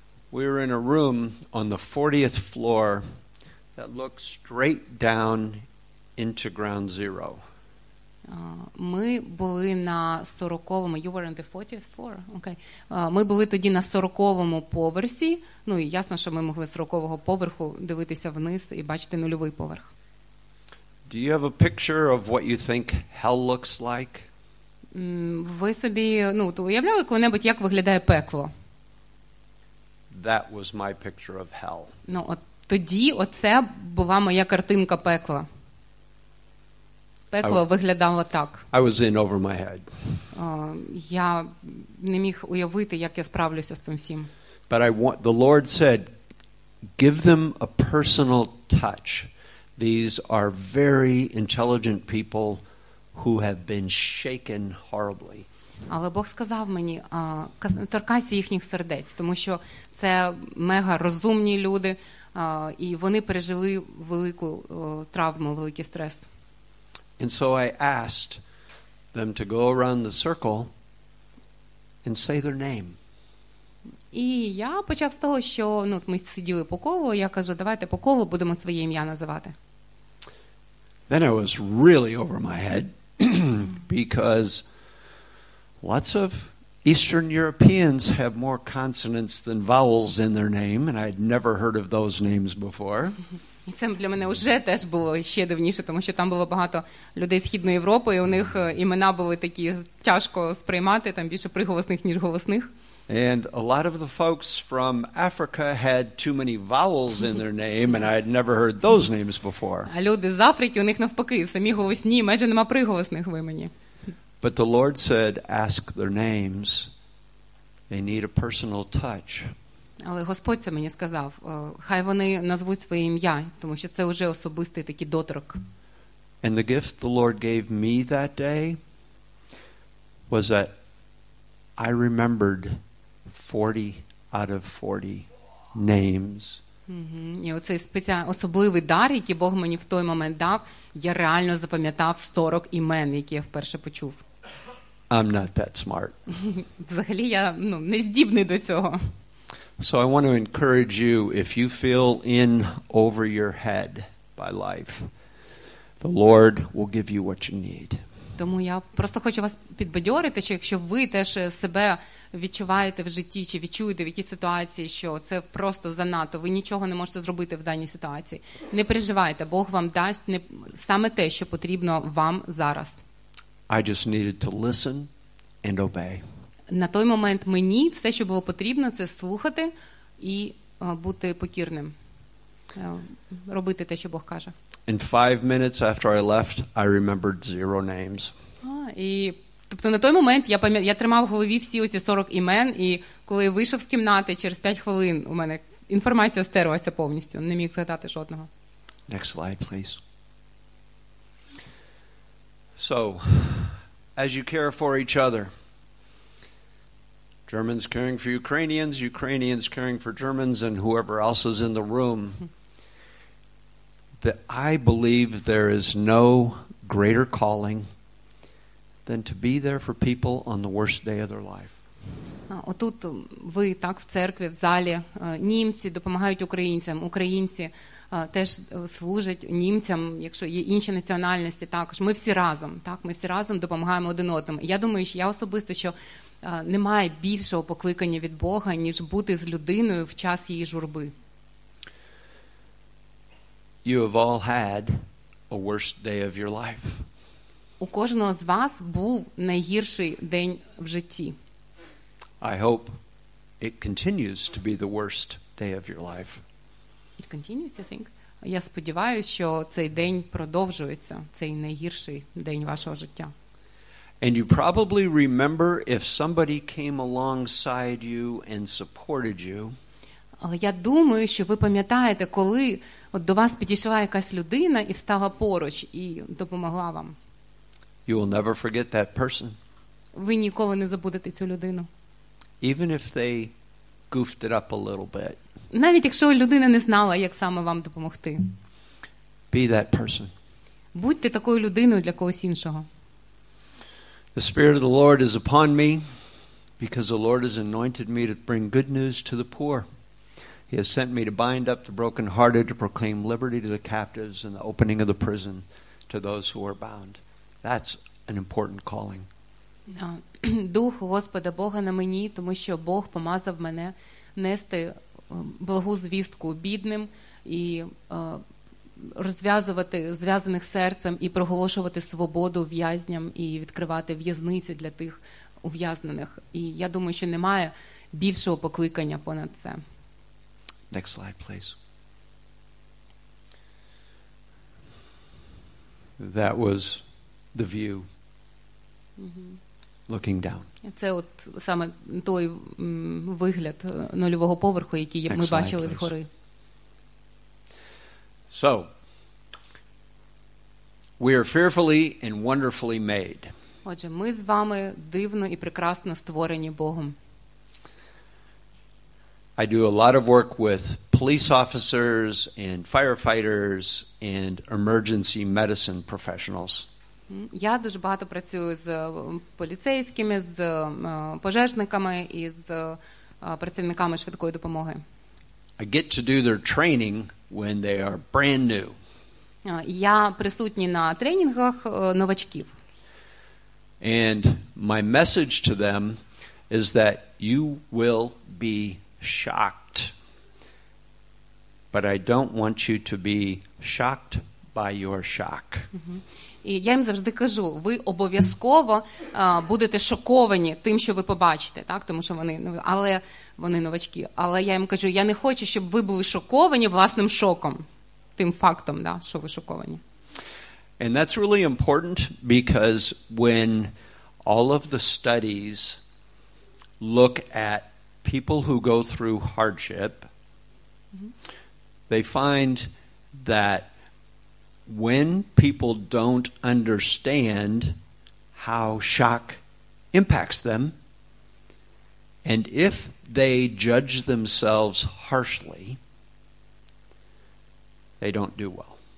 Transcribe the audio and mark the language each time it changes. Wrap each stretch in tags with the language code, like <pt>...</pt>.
<en>We were in a room on the 40th floor that looked straight down into ground zero.</en> <uk>Ми були на 40-му,</uk> <en>you were on the 40th floor, okay.</en> <uk>Ми були тоді на 40-му поверсі, ну і ясно, що ми могли з 40-го поверху дивитися вниз і бачити нульовий поверх.</uk> <en>Do you have a picture of what you think hell looks like?</en> <uk>Ви собі, ну, то уявляли коли-небудь, як виглядає пекло?</uk> <en>That was my picture of hell.</en> <uk>Ну, от тоді оце була моя картинка пекла. Пекло виглядало так.</uk> <en>I was in over my head.</en> <uk>Я не міг уявити, як я справлюся з цим всім.</uk> <en>But I want, the Lord said, give them a personal touch. These are very intelligent people who have been shaken horribly.</en> <uk>Але Бог сказав мені, торкайся їхніх сердець, тому що це мега розумні люди, і вони пережили велику травму, великий стрес.</uk> <en>And so I asked them to go around the circle and say their name.</en> <uk>І я почав з того, що, ну, ми сиділи по колу, я кажу: "Давайте по колу будемо своє ім'я називати".</uk> <en>Then I was really over my head because lots of Eastern Europeans have more consonants than vowels in their name, and I had never heard of those names before.</en> <uk>І це для мене вже теж було ще дивніше, тому що там було багато людей Східної Європи, і у них імена були такі тяжко сприймати, там більше приголосних, ніж голосних.</uk> <en>And a lot of the folks from Africa had too many vowels in their name, and I had never heard those names before.</en> <uk>А люди з Африки, у них навпаки, самі голосні, майже нема приголосних в імені.</uk> <en>But the Lord said, ask their names. They need a personal touch.</en> <uk>Але Господь це мені сказав, хай вони назвуть своє ім'я, тому що це вже особистий такий доторк.</uk> <en>And the gift the Lord gave me that day was that I remembered 40 out of 40 names.</en> <uk>І оцей особливий дар, який Бог мені в той момент дав, я реально запам'ятав 40 імен, які я вперше почув.</uk> <en>I'm not that smart.</en> <uk>Взагалі я, ну, не здібний до цього.</uk> <en>So I want to encourage you, if you feel in over your head by life, the Lord will give you what you need.</en> <uk>Тому я просто хочу вас підбадьорити, що якщо ви теж себе відчуваєте в житті, чи відчуєте в якійсь ситуації, що це просто занадто, ви нічого не можете зробити в даній ситуації, не переживайте, Бог вам дасть не саме те, що потрібно вам зараз.</uk> <en>I just needed to listen and obey.</en> <uk>На той момент мені все, що було потрібно, це слухати і бути покірним. Робити те, що Бог каже.</uk> <en>And 5 minutes after I left, I remembered zero names.</en> <uk>Тобто на той момент я тримав в голові всі оці 40 імен, і коли я вийшов з кімнати, через 5 хвилин у мене інформація стерлася повністю, не міг згадати жодного.</uk> <en>Next slide, please. So, as you care for each other, Germans caring for Ukrainians, Ukrainians caring for Germans, and whoever else is in the room, that I believe there is no greater calling than to be there for people on the worst day of their life.</en> <uk>Отут ви так в церкві, в залі, німці допомагають українцям, українці теж служать німцям, якщо є інші національності також. Ми всі разом, так? Ми всі разом допомагаємо один одному. Я думаю, що я особисто, що немає більшого покликання від Бога, ніж бути з людиною в час її журби.</uk> <en>You have all had a worst day of your life.</en> <uk>У кожного з вас був найгірший день в житті.</uk> <en>I hope it continues to be the worst day of your life. It continues, I think.</en> <uk>Я сподіваюся, що цей день продовжується, цей найгірший день вашого життя.</uk> <en>And you probably remember if somebody came alongside you and supported you.</en> <uk>Але я думаю, що ви пам'ятаєте, коли от до вас підійшла якась людина і встала поруч і допомогла вам.</uk> <en>You will never forget that person.</en> <uk>Ви ніколи не забудете цю людину.</uk> <en>Even if they goofed it up a little bit.</en> <uk>Навіть якщо людина не знала, як саме вам допомогти.</uk> <en>Be that person.</en> <uk>Будьте такою людиною для когось іншого.</uk> <en>The Spirit of the Lord is upon me because the Lord has anointed me to bring good news to the poor. He has sent me to bind up the brokenhearted, to proclaim liberty to the captives and the opening of the prison to those who are bound. That's an important calling.</en> <uk>Дух Господа Бога на мені, тому що Бог помазав мене нести благу звістку бідним і розв'язувати зв'язаних серцем і проголошувати свободу в'язням і відкривати в'язниці для тих ув'язнених. І я думаю, що немає більшого покликання понад це.</uk> <en>Next slide, please. That was the view. Looking down.</en> <uk>Це от саме той вигляд нульового поверху, який</uk> <en>Next</en> <uk>ми</uk> <en>slide,</en> <uk>бачили</uk> <en>please.</en> <uk>Згори.</uk> <en>So, we are fearfully and wonderfully made.</en> <uk>Отже, ми з вами дивно і прекрасно створені Богом.</uk> <en>I do a lot of work with police officers and firefighters and emergency medicine professionals.</en> <uk>Я дуже багато працюю з поліцейськими, з пожежниками і з працівниками швидкої допомоги.</uk> <en>I get to do their training when they are brand new.</en> <uk>Я присутній на тренінгах новачків.</uk> <en>And my message to them is that you will be shocked. But I don't want you to be shocked by your shock.</en> <uk>І я їм завжди кажу, ви обов'язково будете шоковані тим, що ви побачите, так? Тому що вони новачки. Але я їм кажу, я не хочу, щоб ви були шоковані власним шоком. Тим фактом, да, що ви шоковані.</uk> <en>And that's really important because when all of the studies look at people who go through hardship, they find that when people don't understand how shock impacts them, and if they judge themselves harshly, they don't do well.</en>